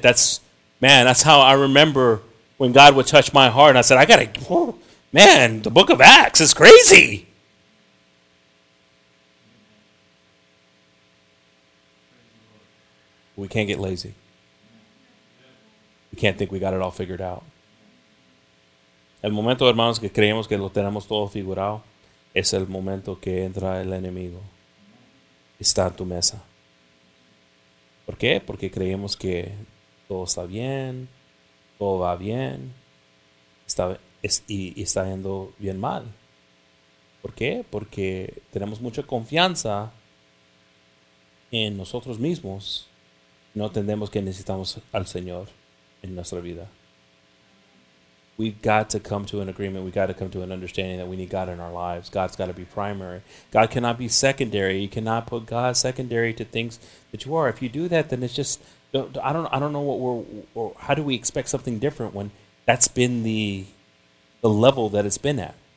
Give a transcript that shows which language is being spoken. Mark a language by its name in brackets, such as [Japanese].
[English] That's, man, that's how I remember when God would touch my heart. And I said, I got to, man, the book of Acts is crazy. We can't get lazy. We can't think we got it all figured out. [Spanish] El momento, hermanos, que creemos que lo tenemos todo figurado, es el momento que entra el enemigo. Está en tu mesa. ¿Por qué? Porque creemos que todo está bien, todo va bien, y está yendo bien mal. ¿Por qué? Porque tenemos mucha confianza en nosotros mismos. No entendemos que necesitamos al Señor en nuestra vida. [English] we've got to come to an agreement. We've got to come to an understanding that we need God in our lives. God's got to be primary. God cannot be secondary. You cannot put God secondary to things that you are. If you do that, then it's just, I don't know what we're, or how do we expect something different when that's been the level that it's been at?